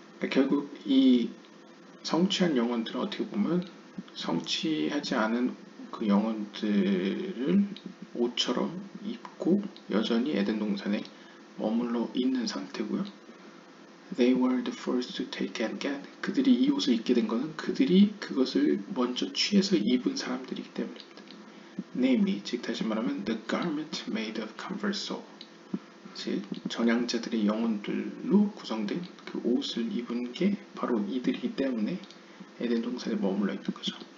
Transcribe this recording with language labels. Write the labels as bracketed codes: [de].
[ko] 결국 이 성취한 영혼들은 어떻게 보면 성취하지 않은 그 영혼들을 옷처럼 입고 여전히 에덴 동산에 머물러 있는 상태고요. [en] They were the first to take and get. [ko] 그들이 이 옷을 입게 된 것은 그들이 그것을 먼저 취해서 입은 사람들이기 때문입니다. [en] Namely, [ko] 즉 다시 말하면 [en] the garment made of converted soul. [ko] 즉 전향자들의 영혼들로 구성된 그 옷을 입은 게 바로 이들이기 때문에 에덴 동산에 머물러 있는 거죠.